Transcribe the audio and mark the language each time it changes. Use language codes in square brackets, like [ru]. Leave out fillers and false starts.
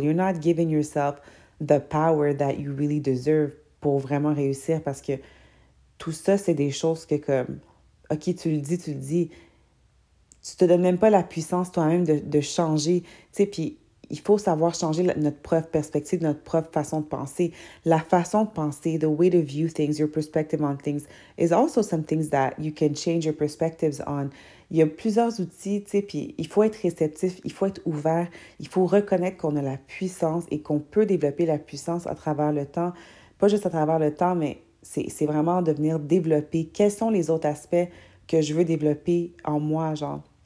[en] You're not giving yourself the power that you really deserve [fr] pour vraiment réussir, parce que tout ça, c'est des choses que, comme, OK, tu le dis, tu te donnes même pas la puissance toi-même de changer. Tu sais, puis il faut savoir changer notre propre perspective, notre propre façon de penser. La façon de penser, [en] the way to view things, your perspective on things, is also some things that you can change your perspectives on. [fr] Il y a plusieurs outils, tu sais, puis il faut être réceptif, il faut être ouvert, il faut reconnaître qu'on a la puissance et qu'on peut développer la puissance à travers le temps. Pas juste à travers le temps, mais c'est vraiment de venir développer quels sont les autres aspects que je veux développer en moi, genre.